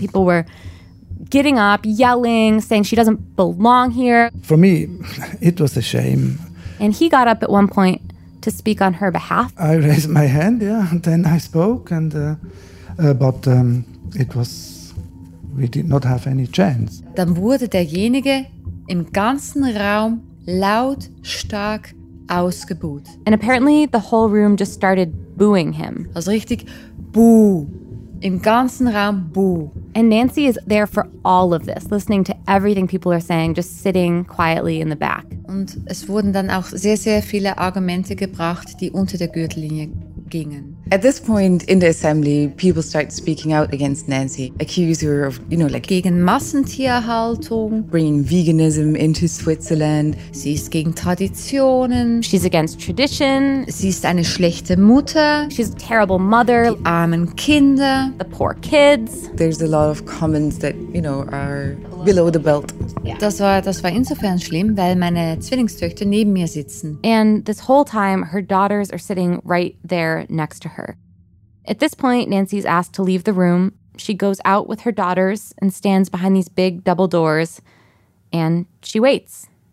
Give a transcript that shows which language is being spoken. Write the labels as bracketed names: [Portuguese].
[English] People were getting up, yelling, saying she doesn't belong here. For me, it was a shame. And he got up at one point to speak on her behalf. I raised my hand, yeah, and then I spoke, and but it was, we did not have any chance. [German] Dann wurde derjenige im ganzen Raum laut, stark ausgebuht. [English] And apparently the whole room just started booing him. [German] Also richtig, boo. Im ganzen Raum, boo. [English] And Nancy is there for all of this, listening to everything people are saying, just sitting quietly in the back. [German] Und es wurden dann auch sehr, sehr viele Argumente gebracht, die unter der Gürtellinie gingen. [English] At this point in the assembly, people start speaking out against Nancy, accusing her of, you know, like... [German] Gegen Massentierhaltung. [English] Bringing veganism into Switzerland. [German] Sie ist gegen Traditionen. [English] She's against tradition. [German] Sie ist eine schlechte Mutter. [English] She's a terrible mother. [German] Die armen Kinder. [English] The poor kids. There's a lot of comments that, you know, are below the belt. Yeah. [German] Das war insofern schlimm, weil meine Zwillingstöchter neben mir sitzen. [English] And this whole time, her daughters are sitting right there next to her. At this point, Nancy's asked to leave the room. She goes out with her daughters and stands behind these big double doors, and she waits.